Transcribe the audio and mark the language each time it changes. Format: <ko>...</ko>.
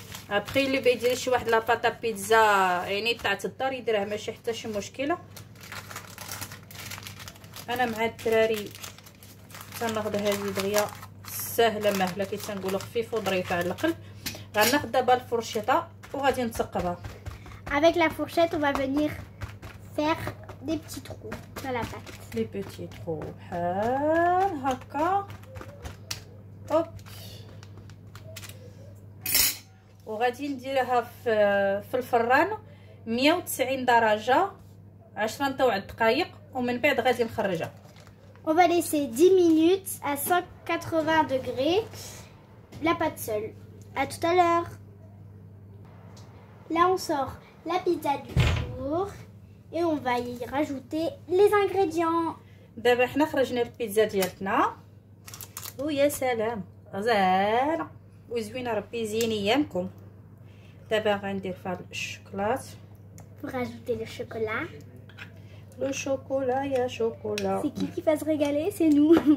<ar>ابخي اللي بغا يدير شي واحد لاباطا بيتزا يعني تاعت الدار يديرها ماشي حتى شي مشكله. انا مع الدراري تناخذ هذه دغيا سهله مهله كي تنقولوا خفيفه وظريفه على القلب. غناخذ دابا الفرشيطه وغادي نثقبها.</ar> <fr>avec la fourchette on va venir faire des petits trous dans la pâte. les petits trous</fr> <ar>بحال هكا هوب. وغادي نديرها في الفران 190 درجه 10 حتى 1 دقائق ومن بعد غادي نخرجها.</ar> <fr>on va laisser 10 minutes à 180 degrés la pâte seule. à tout à l'heure. là on sort la pizza du four et on va y rajouter les ingrédients.</fr> <ar>دابا حنا خرجنا البيتزا ديالتنا ويا سلام زينه وزوينه ربي زيني يامكم. دابا غندير فيها الشوكولات</ar> <fr>pour ajouter le chocolat. le chocolat يا chocolat c'est qui va se régaler c'est nous.</fr>